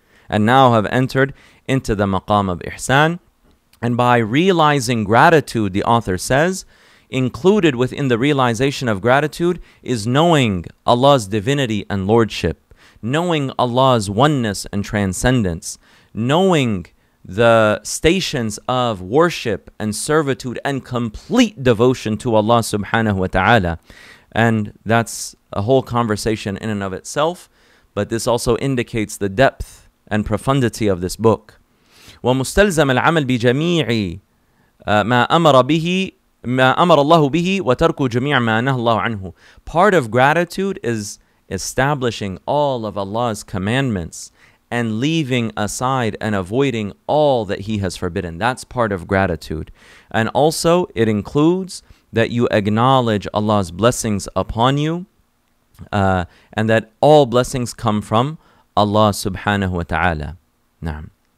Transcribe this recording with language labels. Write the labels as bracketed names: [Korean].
[English] And by realizing gratitude, the author says, included within the realization of gratitude is knowing Allah's divinity and lordship, knowing Allah's oneness and transcendence, knowing the stations of worship and servitude and complete devotion to Allah subhanahu wa ta'ala. And that's a whole conversation in and of itself, but this also indicates the depth and profundity of this book. [Arabic] ومستلزم العمل بجميع ما أمر به ما أمر الله به وترك جميع ما نهى الله عنه. [English] Part of gratitude is establishing all of Allah's commandments and leaving aside and avoiding all that He has forbidden. That's part of gratitude. And also it includes that you acknowledge Allah's blessings upon you and that all blessings come from Allah subhanahu wa ta'ala. Na'am.